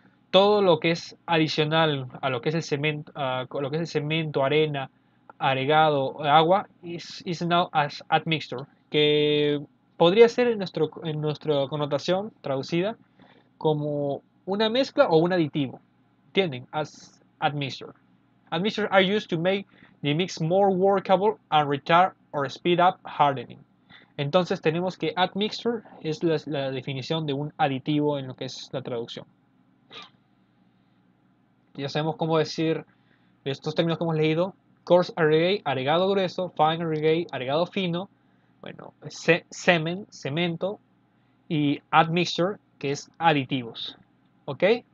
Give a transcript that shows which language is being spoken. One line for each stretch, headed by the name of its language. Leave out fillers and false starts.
Spanish: Todo lo que es adicional a lo que es el cemento, arena, agregado, agua,
English: is known as admixture,
Spanish: que podría ser en nuestra connotación traducida como una mezcla o un aditivo. ¿Entienden? As admixture.
English: Admixture are used to make the mix more workable and retard or speed up hardening.
Spanish: Entonces tenemos que admixture es la definición de un aditivo en lo que es la traducción. Ya sabemos cómo decir estos términos que hemos leído. Coarse aggregate, agregado grueso. Fine aggregate, agregado fino. Bueno, cemento. Y admixture, que es aditivos. ¿Ok?